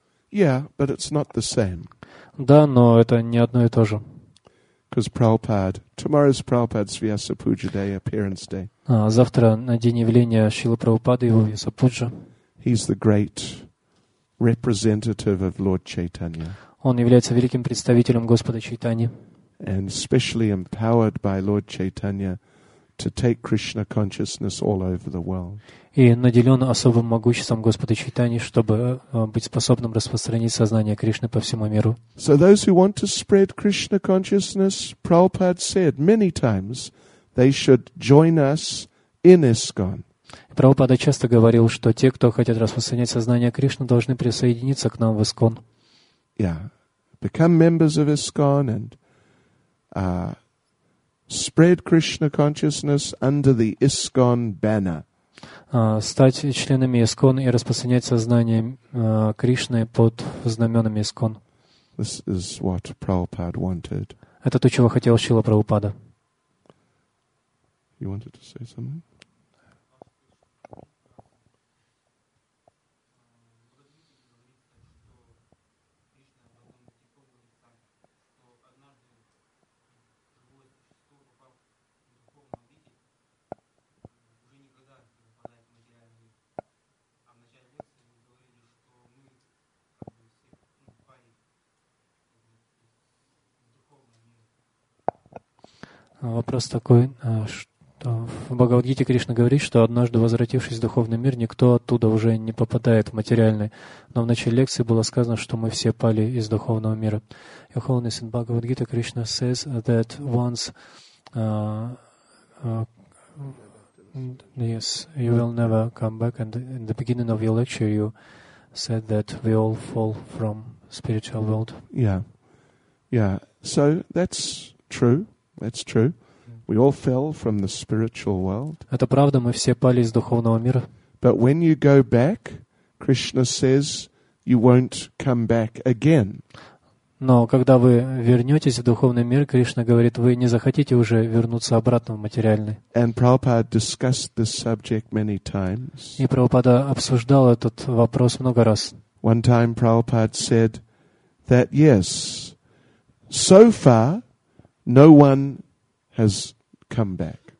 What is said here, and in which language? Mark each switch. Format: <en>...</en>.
<en>Yeah, but it's not the same.</en> <ru>Да, но это не одно и то же.</ru> <en>Because Prabhupada, tomorrow's Prabhupada's Vyasa Puja Day, appearance day.</en> <ru>Завтра на день явления Шрилы Прабхупады, его Вьяса Пуджа.</ru> <en>He's the great representative of Lord Chaitanya.</en> <ru>Он является великим представителем Господа Чайтаньи.</ru> <en>And specially empowered by Lord Chaitanya to take Krishna consciousness all over the world.</en> <ru>И наделен особым могуществом Господа Чайтаньи, чтобы быть способным распространить сознание Кришны по всему миру.</ru> <en>So those who want to spread Krishna consciousness, Prabhupada said many times, they should join us in ISKCON.</en> <ru>Прабхупада часто говорил, что те, кто хотят распространять сознание Кришны, должны присоединиться к нам в ИСКОН.</ru> <en>Yeah, become members of ISKCON and spread Krishna consciousness under the ISKCON banner.</en> <ru>Стать членами ИСКОН и распространять сознание Кришны под знаменами ИСКОН.</ru> <en>This is what Prabhupada wanted.</en> <ru>Это то, чего хотел Шрила Прабхупада.</ru> <en>You wanted to say something?</en> <ru>Вопрос такой, то в Бхагавад-гите Кришна говорит, что однажды, возвратившись в духовный мир, никто оттуда уже не попадает в материальный. Но в начале лекции было сказано, что мы все пали из духовного мира.</ru> <en>Your Holiness, in Bhagavad-gita, Krishna says that once yes, you will never come back. And in the beginning of your lecture, you said that we all fall from spiritual world. Yeah, yeah. So that's true. That's true. We all fell from the spiritual world.</en> <ru>Это правда, мы все пали из духовного мира.</ru> <en>But when you go back, Krishna says you won't come back again.</en> <ru>Но когда вы вернетесь в духовный мир, Кришна говорит, вы не захотите уже вернуться обратно в материальный.</ru> <en>And Prabhupada discussed this subject many times.</en> <ru>И Прабхупада обсуждал этот вопрос много раз.</ru> <en>One time Prabhupada said that yes, so far no one has come back.</en>